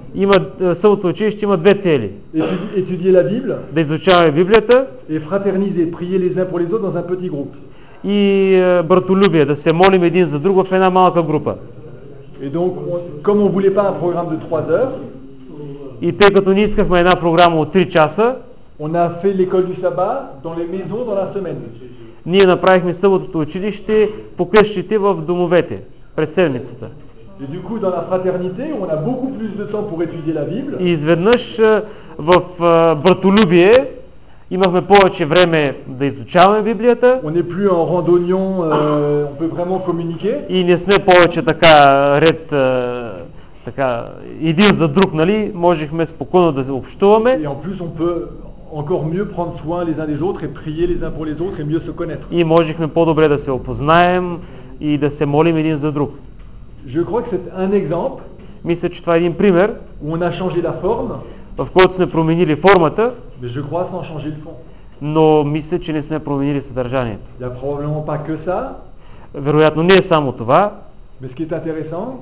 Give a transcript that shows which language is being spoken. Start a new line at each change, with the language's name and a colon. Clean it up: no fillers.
Bulgarian: Има, съботното училище има две цели.
French: Étudier la Bible.
Bulgarian: Да изучаваме Библията.
French: Et fraterniser, prier les uns pour les autres dans un petit groupe.
Bulgarian: И братолюбие, да се молим един за друг в една малка група.
French: Et donc, comme on voulait pas un programme de 3 heures.
Bulgarian: И тъй като не искахме една програма от 3 часа,
French: on a fait l'école du sabbat dans les maisons dans la semaine.
Bulgarian: Ние направихме съботното училище по къщите в домовете през седмицата.
French: Et du coup dans la fraternité, on a beaucoup plus de temps pour étudier la Bible.
Bulgarian: И изведнъж в братолюбие имахме повече време да изучаваме Библията.
French: On est plus en randonnion, on peut vraiment communiquer.
Bulgarian: И не сме повече така ред така един за друг, нали? Можехме спокойно да се общуваме.
French: Et en plus on peut encore mieux prendre soin les uns des autres et prier les uns pour les autres et mieux se connaître.
Bulgarian: И можехме по-добре да се опознаем и да се молим един за друг.
French: Je crois que c'est un exemple.
Bulgarian: Мисля, че това е един пример.
French: Où on a changé la forme.
Bulgarian: В който сме променили формата.
French: Mais je crois sans changer le fond.
Bulgarian: Но мисля, че не сме променили съдържанието.
French: Il y a probablement pas que ça.
Bulgarian: Вероятно не е само това.
French: Mais ce qui est intéressant.